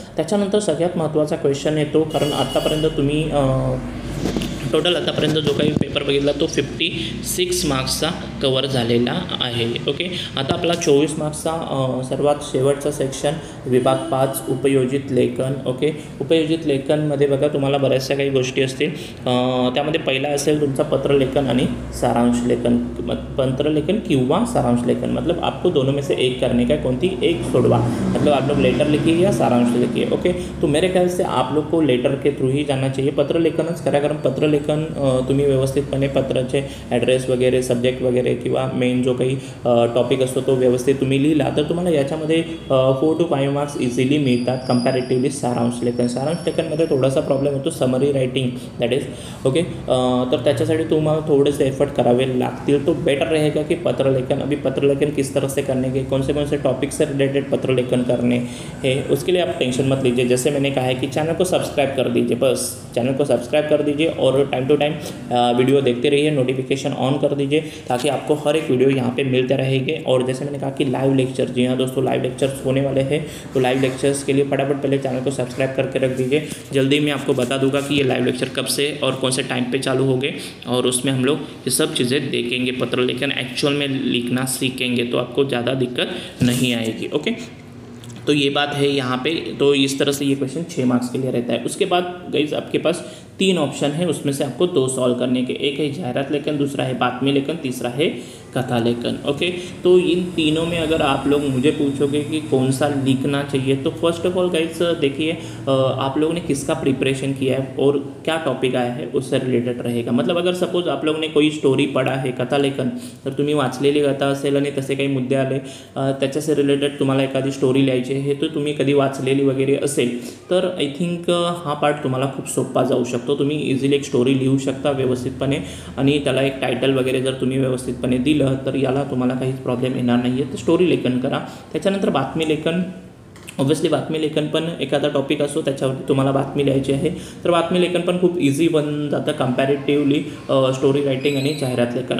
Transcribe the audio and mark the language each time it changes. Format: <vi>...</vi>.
<mr>त्याच्यानंतर सगळ्यात महत्त्वाचा क्वेश्चन येतो, कारण आत्तापर्यंत तुम्ही टोटल आतापर्यंत जो काही पेपर बघितला तो 56 मार्क्सचा कवर झालेला आहे. ओके, आता आपला 24 मार्क्सचा सर्वात शेवटचा सेक्शन विभाग 5 उपयोजित लेखन. ओके, उपयोजित लेखनमध्ये बघा तुम्हाला बऱ्याचशा काही गोष्टी असतील, त्यामध्ये पहिला असेल तुमचा पत्रलेखन आणि सारांश लेखन. पत्रलेखन किंवा सारांश लेखन,</mr> <hi>मतलब आपको दोनों में से एक करने का,</hi> <mr>कोणती एक सोडवा,</mr> <hi>मतलब आप लोग लेटर लिखिए या सारांश लिखिए.</hi> <mr>ओके,</mr> <hi>तो मेरे ख्याल से आप लोग को लेटर के थ्रू ही जाना चाहिए,</hi> <mr>पत्रलेखनच करा, कारण पत्र लेखन तुम्ही व्यवस्थितपणे पत्राचे ॲड्रेस वगैरे, सब्जेक्ट वगैरे किंवा मेन जो काही टॉपिक असतो तो व्यवस्थित तुम्ही लिहिला तर तुम्हाला याच्यामध्ये 4-5 मार्क्स इझिली मिळतात कंपॅरेटिवली सारांश लेखन. सारांश लेखनमध्ये थोडासा प्रॉब्लेम होतो summary writing, that is okay. तर त्याच्यासाठी तुम्हाला थोडेसे एफर्ट करावे लागतील,</mr> <hi>तो बेटर रहेगा की</hi> <mr>पत्रलेखन.</mr> <hi>अभी पत्रलेखन किस तरह से करने के, कौन से टॉपिक से रिलेटेड पत्रलेखन करने है, उसके लिए आप टेंशन मत लीजिए. जैसे मैंने कहा है कि चैनल को सब्सक्राइब कर दीजिए, बस चैनल को सब्सक्राइब कर दीजिए और टाइम टू टाइम वीडियो देखते रहिए, नोटिफिकेशन ऑन कर दीजिए ताकि आपको हर एक वीडियो यहाँ पे मिलते रहेंगे. और जैसे मैंने कहा कि लाइव लेक्चर, जी हाँ दोस्तों लाइव लेक्चर्स होने वाले हैं, तो लाइव लेक्चर्स के लिए फटाफट पहले चैनल को सब्सक्राइब करके रख दीजिए. जल्दी मैं आपको बता दूंगा कि ये लाइव लेक्चर कब से और कौन से टाइम पे चालू होंगे और उसमें हम लोग ये सब चीज़ें देखेंगे, पत्र लेकर एक्चुअल में लिखना सीखेंगे, तो आपको ज़्यादा दिक्कत नहीं आएगी. ओके, तो ये बात है यहाँ पे। तो इस तरह से ये क्वेश्चन 6 मार्क्स के लिए रहता है। उसके बाद गाइज आपके पास 3 ऑप्शन है, उसमें से आपको 2 सॉल्व करने के, एक है जाहिरात लेखन, दूसरा है बातमी लेखन, तीसरा है कथा लेखन। ओके, तो इन तीनों में अगर आप लोग मुझे पूछोगे कि कौन सा लिखना चाहिए, तो फर्स्ट ऑफ ऑल गाइज देखिए आप लोगों ने किसका प्रिपरेशन किया है और क्या टॉपिक आया है उससे रिलेटेड रहेगा। मतलब अगर सपोज आप लोगों ने कोई स्टोरी पढ़ा है कथा लेखन,</hi> <mr>तर तुम्ही वाचलेली कथा असेल आणि तसे काही मुद्दे आले त्याच्याशी रिलेटेड तुम्हाला एखादी स्टोरी लिहायची आहे, तो तुम्ही कधी वाचलेली वगैरे असेल, तर आय थिंक हा पार्ट तुम्हाला खूप सोपा जाऊ शकतो। तुम्ही इझिली एक स्टोरी लिहू शकता व्यवस्थितपणे आणि त्याला एक टायटल वगैरे जर तुम्ही व्यवस्थितपणे दिलं तर याला तुम्हाला काहीच प्रॉब्लेम येणार नाही आहे। तर स्टोरी लेखन करा, त्याच्यानंतर बातमी लेखन, ऑब्विसली बातमी लेखन पण एखादा टॉपिक असो त्याच्यावरती तुम्हाला बातमी लिहायची आहे, तर बातमी लेखन पण खूप इझी बन जातं कंपॅरेटिवली स्टोरी रायटिंग आणि जाहिरात लेखन।</mr>